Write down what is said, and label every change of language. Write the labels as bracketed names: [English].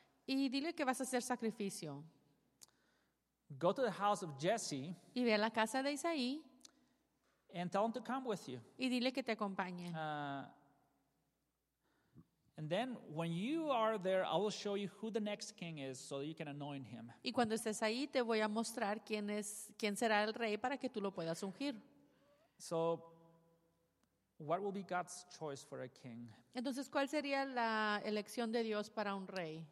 [Spanish] Y dile que vas a hacer sacrificio. [English] Go to the house of Jesse. [Spanish] Y ve a la casa de Isaí. [English] And tell him to come with you. [Spanish] Y dile que te acompañe. [English] And then when you are there, I will show you who the next king is so that you can anoint him. [Spanish] Y cuando estés ahí, te voy a mostrar quién será el rey para que tú lo puedas ungir. [English] So what will be God's choice for a king? [Spanish] Entonces, ¿cuál sería la elección de Dios para un rey?